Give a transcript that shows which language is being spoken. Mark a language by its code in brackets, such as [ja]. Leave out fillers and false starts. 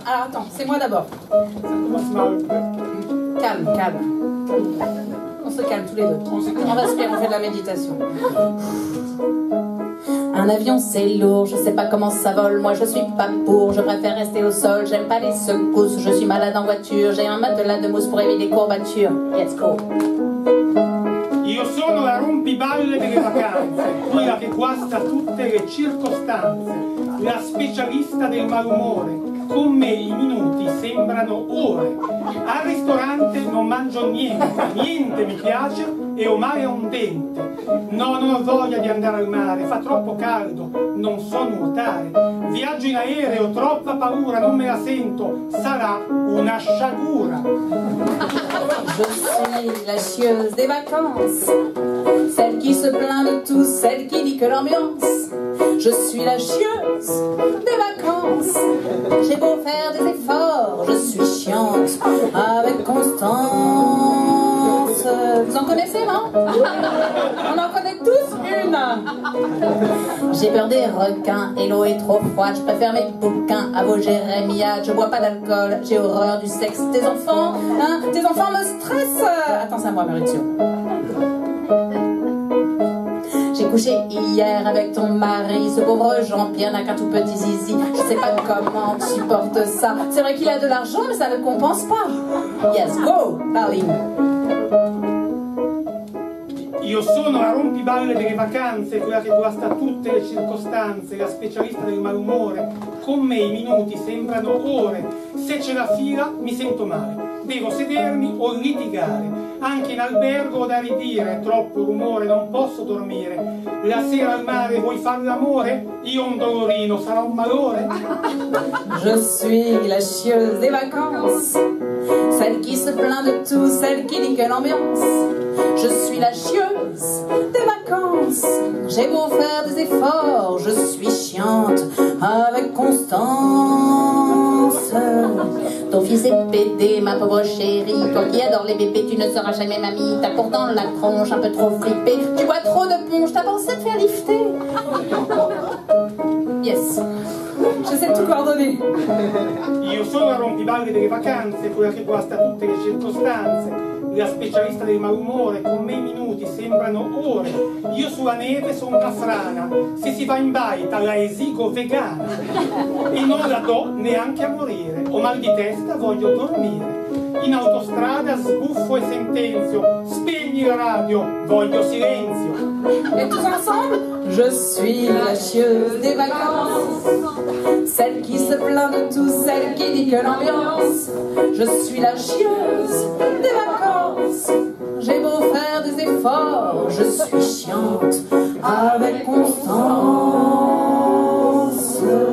[fr] Alors attends, c'est moi d'abord. Calme, calme. On se calme tous les deux. On respire, on fait de la méditation. Un avion c'est lourd, je sais pas comment ça vole, moi je suis pas pour, je préfère rester au sol, j'aime pas les secousses, je suis malade en voiture, j'ai un matelas de mousse pour éviter les courbatures. [en] Let's go. [it] Io sono la rompiballe delle vacanze, quella che guasta tutte le circostanze, la specialista del malumore, con me i minuti sembrano ore. Al ristorante non mangio niente, niente mi piace e ho male a un dente. No, non ho voglia di andare al mare, fa troppo caldo, non so nuotare. Viaggio in aereo, troppa paura, non me la sento, sarà una sciagura. [fr] Je suis la chieuse des vacances, celle qui se plaint de tout, celle qui dit que l'ambiance. Je suis la chieuse des vacances, j'ai beau faire des efforts, je suis chiante avec constance. Vous en connaissez, non? On en connaît tous une. J'ai peur des requins et l'eau est trop froide, je préfère mes bouquins à vos jérémiades. Je bois pas d'alcool, j'ai horreur du sexe, tes enfants, hein, tes enfants me stressent. Attends, c'est à moi, Maurizio. J'ai couché hier avec ton mari, ce pauvre Jean-Pierre n'a qu'un tout petit zizi. Je sais pas comment tu supportes ça. C'est vrai qu'il a de l'argent, mais ça ne compense pas. [en] Yes, go, darling. [it] Io sono la rompiballe delle vacanze, quella che guasta tutte le circostanze, la specialista del malumore. Con me i minuti sembrano ore, se c'è la fila mi sento male, devo sedermi o litigare. Anche in albergo ho da ridire, troppo rumore, non posso dormire. La sera al mare vuoi far l'amore? Io un dolorino, sarà un malore. [fr] Je suis la chieuse des vacances, celle qui se plaint de tout, celle qui nique l'ambiance. Je suis la chieuse des vacances, j'ai beau faire des efforts, je suis chiante avec constance. Ton fils est pédé, ma pauvre chérie, toi qui adore les bébés, tu ne seras jamais mamie. T'as pourtant la tronche un peu trop flippée, tu bois trop de punch, t'as pensé te faire lifter. Yes. Je sais tout coordonner. [it] Io sono a rompiballe delle vacanze, quella che guasta tutte le circostanze. La specialista del malumore, con me i minuti sembrano ore. Io sulla neve sono una frana, se si va in baita la esigo vegana. E non la do neanche a morire, ho mal di testa, voglio dormire. In autostrada sbuffo e sentenzio, spegni la radio, voglio silenzio. E tu ensemble? [fr] Je suis la chieuse des vacances, celle qui se plaint de tout, celle qui nique l'ambiance. Je suis la chieuse des vacances, j'ai beau faire des efforts, je suis chiante avec constance.